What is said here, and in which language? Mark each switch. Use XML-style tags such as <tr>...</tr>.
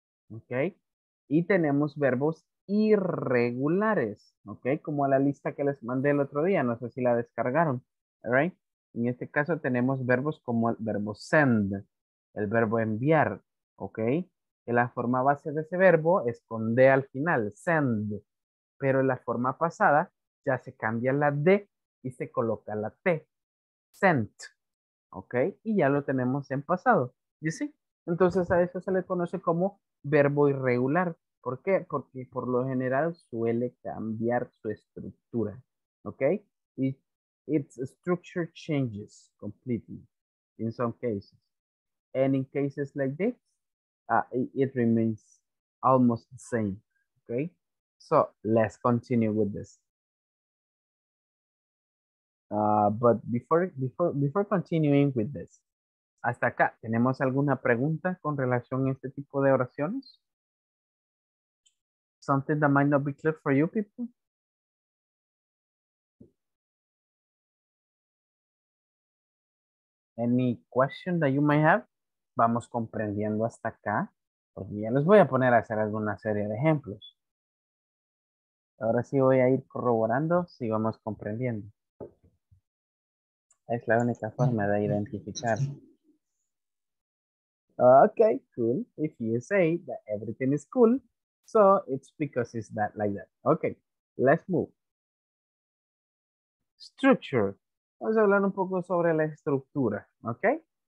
<es>ok, y tenemos verbos irregulares, ok, como la lista que les mandé el otro día, no sé si la descargaron, alright, en este caso tenemos verbos como el verbo send, el verbo enviar, ok, que la forma base de ese verbo es con d al final, send, pero en la forma pasada ya se cambia la D y se coloca la T, sent, ¿ok? Y ya lo tenemos en pasado, ¿y sí? Entonces a eso se le conoce como verbo irregular, ¿por qué? Porque por lo general suele cambiar su estructura, ¿ok?</es> <en>Its structure changes completely in some cases, and in cases like this, it remains almost the same, ¿ok? So, let's continue with this. But before continuing with this,</en> <es>hasta acá, ¿tenemos alguna pregunta con relación a este tipo de oraciones?</es> <en>Something that might not be clear for you people? Any question that you might have?</en> <es>Vamos comprendiendo hasta acá, porque ya les voy a poner a hacer alguna serie de ejemplos. Ahora sí voy a ir corroborando si vamos comprendiendo. Es la única forma de identificar.</es> <en>Okay, cool. If you say that everything is cool, so it's because it's that like that. Okay, let's move. Structure.</en> <es>Vamos a hablar un poco sobre la estructura, okay?</es>